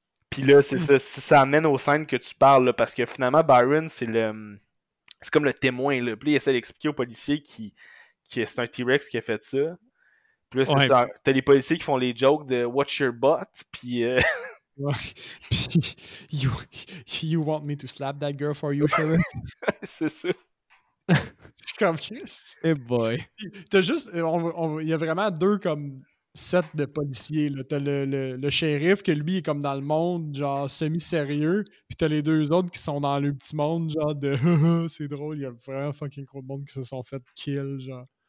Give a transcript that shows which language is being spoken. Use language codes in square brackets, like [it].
[fr] Puis là, c'est ça, ça amène aux scènes que tu parles, là, parce que finalement, Byron, c'est comme le témoin, là. Puis là, il essaie d'expliquer aux policiers que c'est un T-Rex qui a fait ça. Puis là, t'as les policiers qui font les jokes de « [en] Watch your butt [fr] », puis... [en] Puis, you want me to slap that girl for you, Sharon? [fr] C'est ça. Je suis comme Chris. [en] Hey boy. [fr] T'as juste. Il y a vraiment deux comme sets de policiers. Là. T'as le shérif que lui est comme dans le monde, genre semi-sérieux. Puis t'as les deux autres qui sont dans le petit monde, genre de. C'est drôle, il y a vraiment fucking gros de monde qui se sont fait kill, genre.